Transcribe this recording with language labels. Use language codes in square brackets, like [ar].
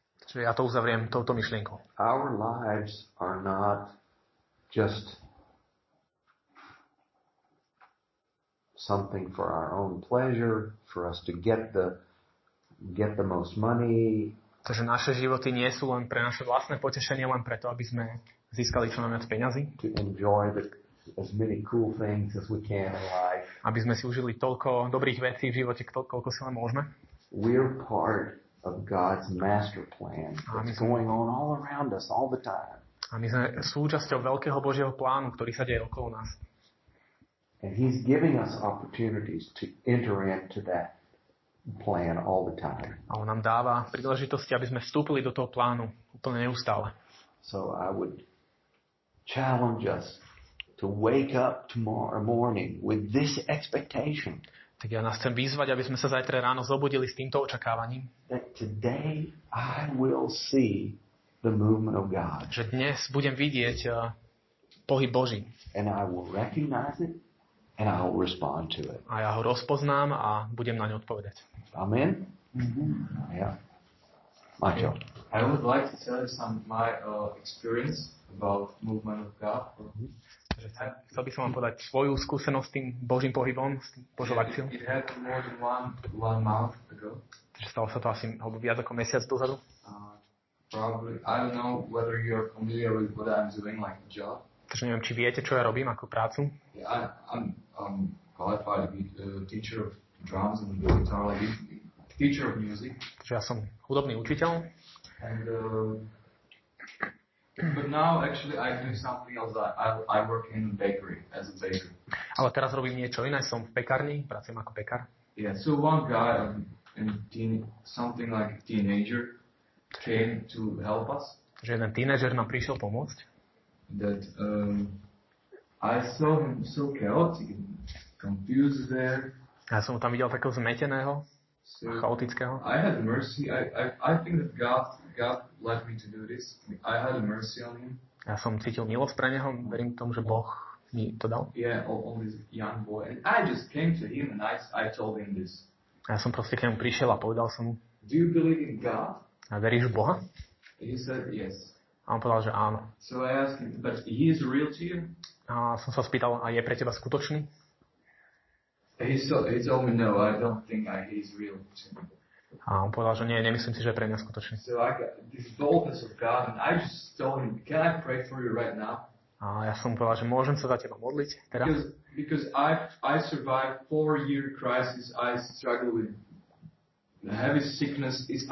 [sk] Čiže ja to uzavriem touto myšlienkou. [en] Our lives are not just something for our own pleasure, for us to get the most money. [sk] Takže naše životy nie sú len pre naše vlastné potešenie, len preto, aby sme získali čo najviac peňazí. [en] To enjoy as many cool things as we can in life. [sk] Aby sme si užili toľko dobrých vecí v živote, koľko si len môžeme. [en] We're part of God's master plan that's going on all around us all the time. [sk] A my sme súčasťou veľkého Božieho plánu, ktorý sa deje okolo nás. [en] And he's giving us opportunities to enter into that plan all the time. [sk] A on nám dáva príležitosti, aby sme vstúpili do toho plánu úplne neustále. [en] So I would challenge us to wake up tomorrow morning with this expectation. [sk] Tak ja nás chcem vyzvať, aby sme sa zajtra ráno zobudili s týmto očakávaním. [en] That today I will see the movement of God. [sk] Že dnes budem vidieť pohyb Boží. [en] And I will recognize it and I will respond to it. [sk] A ja ho rozpoznám a budem na ňu odpovedať. [en] Amen. Mm-hmm. Yeah. Mateo. I would like to tell you some my experience about movement of God. Mm-hmm. [sk] Chcel by som vám podať svoju skúsenosť s tým Božím pohybom, s tým Božou akciou. [en] It happened more than one month ago. [sk] Takže stalo sa to asi viac ako mesiac dozadu. [en] Probably, I don't know whether you are familiar with what I'm doing, like a job. [sk] Takže neviem, či viete, čo ja robím ako prácu. [en] Yeah, I'm qualified to be a teacher of drums and guitar, like a teacher of music. [sk] Takže ja som hudobný učiteľ. [en] And, but now actually I do something else. I work in a bakery as a baker. [sk] Ale teraz robím niečo iné, som v pekárni, pracujem ako pekár. [en] Yeah, so one guy, something like a teenager, came to help us. [sk] Že jeden teenager nám prišiel pomôcť. [en] That I saw him so chaotic and confused there. [sk] Ja som tam videl takého zmeteného, so chaotického. [en] I had mercy. I think that God led me to do this. I had a mercy on him. [sk] Ja som cítil milosť pre neho, verím tomu, že Boh mi to dal. [en] Yeah, on this young boy. And I just came to him and I told him this. [sk] Ja som proste k nemu prišiel a povedal som mu. [en] Do you believe in God? [sk] A veríš v Boha? [en] He said yes. [sk] A on povedal, že áno. [en] So I asked him, but he is real to you? [sk] A som sa spýtal, a je pre teba skutočný? [en] He told me no, I don't think he is real to me. [sk] A on povedal, že nie, nemyslím si, že je pre mňa skutočný. [en] So I got this boldness of God and I just told him, can I pray for you right now? [sk] A ja som povedal, že môžem sa za teba modliť teraz. [en] Because I survived 4-year crisis, I struggle with the heavy sickness.